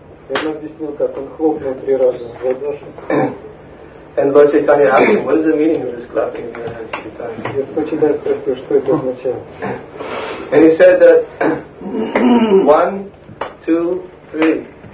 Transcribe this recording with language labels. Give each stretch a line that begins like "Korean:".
Russian: Он объяснил, как он хлопнул три раза в ладоши.
English: And Lord Chaitanya asked him, what is the meaning of this clapping of your hands three times?
Russian: Господь Читания спросил, что это означает?
English: And he said that, one, two, three.